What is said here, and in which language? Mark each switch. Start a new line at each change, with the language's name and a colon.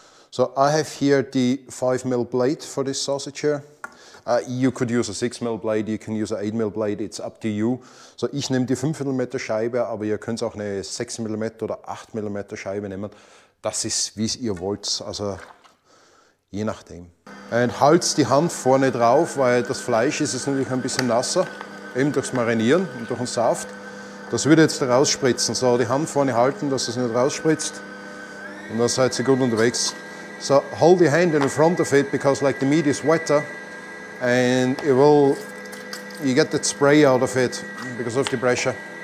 English: So I have here the 5mm blade for this sausage here. You could use a 6mm blade, you can use an 8mm blade, it's up to you.
German: So ich nehme die 5mm Scheibe, aber ihr könnt auch eine 6mm oder 8mm Scheibe nehmen. Das ist, wie ihr wollt, also je nachdem. Und halt die Hand vorne drauf, weil das Fleisch ist jetzt natürlich ein bisschen nasser. Eben durchs Marinieren und durch den Saft. Das würde jetzt rausspritzen. So, die Hand vorne halten, dass es nicht rausspritzt. Und dann seid ihr gut unterwegs.
English: So, hold your hand in the front of it, because like the meat is wetter. And it will, you get that spray out of it, because of the pressure.